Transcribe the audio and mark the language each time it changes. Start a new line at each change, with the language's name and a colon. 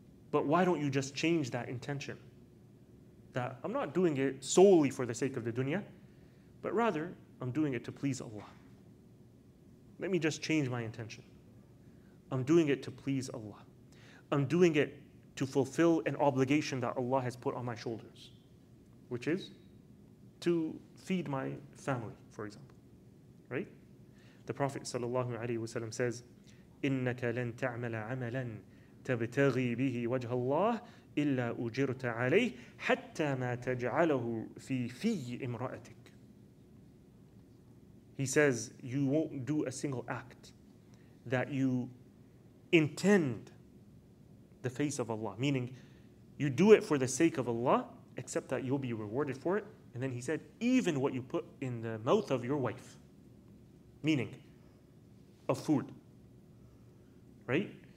English: But why don't you just change that intention? That I'm not doing it solely for the sake of the dunya, but rather I'm doing it to please Allah. Let me just change my intention. I'm doing it to please Allah. I'm doing it to fulfill an obligation that Allah has put on my shoulders, which is to feed my family, for example. Right? The Prophet sallallahu alaihi wasallam says,
Arabic: إِنَّكَ لَن تَعْمَلَ عَمَلًا تَبْتَغِي بِهِ وَجْهَ اللَّهِ إِلَّا أُجِرْتَ عَلَيْهِ حَتَّى مَا تَجْعَلَهُ فِي إِمْرَأَتِكَ.
English: He says, you won't do a single act that you intend the face of Allah, meaning you do it for the sake of Allah, except that you'll be rewarded for it. And then he said, even what you put in the mouth of your wife, meaning of food, right?